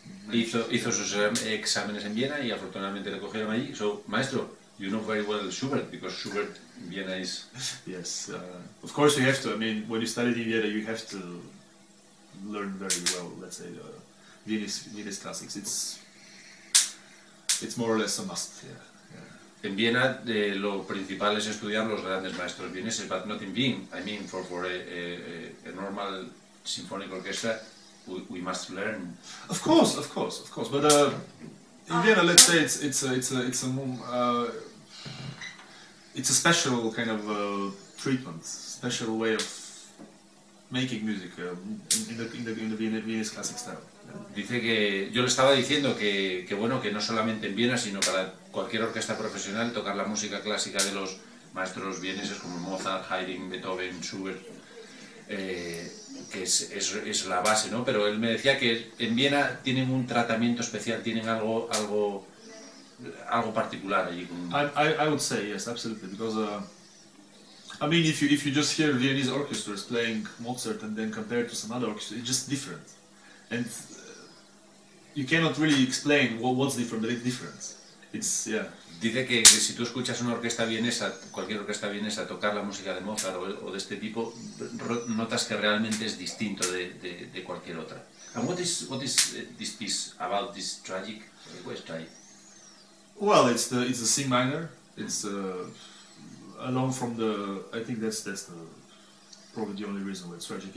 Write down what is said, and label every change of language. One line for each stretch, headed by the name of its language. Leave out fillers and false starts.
Spanish: hizo sus exámenes en Viena y afortunadamente le cogieron allí.
English: So, maestro, you know very well Schubert, because Schubert in Vienna is... Yes, of course you have to. I mean, when you studied in Vienna, you have to learn very well, let's say, Viennese classics. It's It's more or less a must. Yeah, yeah.
Spanish: En Viena, lo principal es estudiar los grandes maestros vieneses,
English: but not in Wien. I mean, for a normal symphonic orchestra, we must learn. Of course, of course, of course. But in Vienna, let's say it's a special kind of treatment, special way of making music in the Viennese classic style.
Spanish: Dice que yo le estaba diciendo que bueno, que no solamente en Viena, sino para cualquier orquesta profesional, tocar la música clásica de los maestros vieneses como Mozart, Haydn, Beethoven, Schubert, que es la base, ¿no? Pero él me decía que en Viena tienen un tratamiento especial, tienen algo particular allí.
English: I would say yes, absolutely, because I mean, if you just hear Viennese orchestras playing Mozart and then compared to some other orchestras, it's just different. And you cannot really explain what's different, but it's different. It's, yeah.
Spanish: Dice que si tú escuchas una orquesta vienesa, cualquier orquesta vienesa, tocar la música de Mozart o de este tipo, notas que realmente es distinto de cualquier otra.
English: And what is this piece about, this tragic? What is tragic? Well, it's a C minor. It's along from the... I think that's the probably the only reason why it's tragic.